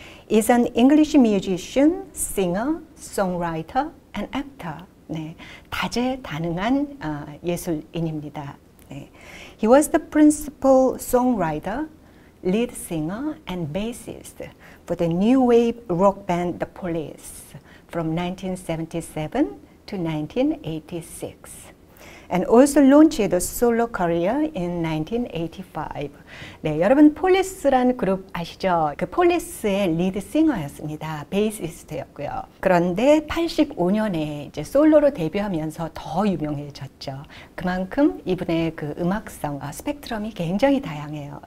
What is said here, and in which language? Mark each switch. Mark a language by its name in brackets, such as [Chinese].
[English] Is an English musician, singer, songwriter, and actor. [Korean] 네, 다재다능한 예술인입니다. 네. [English] He was the principal songwriter, lead singer and bassist for the new wave rock band The Police from 1977 to 1986, and also launched a solo career in 1985. [Korean] 네, 여러분, 폴리스라는 그룹 아시죠? 그 폴리스의 리드 싱어였습니다. 베이시스트였고요. 그런데 85년에 이제 솔로로 데뷔하면서 더 유명해졌죠. 그만큼 이분의 그 음악성, 스펙트럼이 굉장히 다양해요.